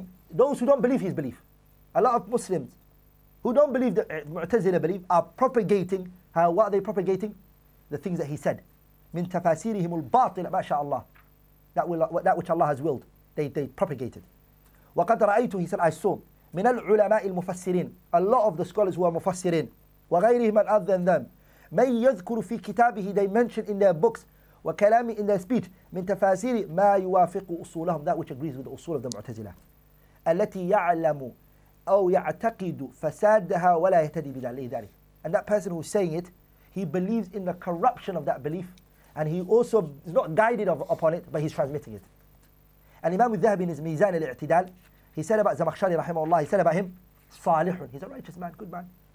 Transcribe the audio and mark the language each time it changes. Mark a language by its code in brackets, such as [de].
[en] Those who don't believe his belief, a lot of Muslims who don't believe the Mu'tazila belief are propagating. What are they propagating? The things that he said. [ar] من تفاسيرهم الباطلة ما شاء الله. [en] That which Allah has willed, they propagated. [ar] وقد رأيته, [en] he said, I saw. [ar] من العلماء المفسرين, [en] a lot of the scholars who are [ar] مفسرين. وغيرهم [en] and other than them. [ar] من يذكر في كتابه, [en] they mention in their books. [ar] وكلامي [en] in their speech. [ar] من تفاسير ما يوافق أصولهم, [en] that which agrees with the أصول of the Mu'tazila. [ar] التي يعلم أو يعتقد فسادها ولا يهتدي بذلك. [en] And that person who is saying it, he believes in the corruption of that belief, and he also is not guided upon it, but he's transmitting it. And Imam al-Dhahabi in his Mizan al-I'tidal, he said about Zamakhshari rahimahullah, he said about him, Salihun, he's a righteous man, good man.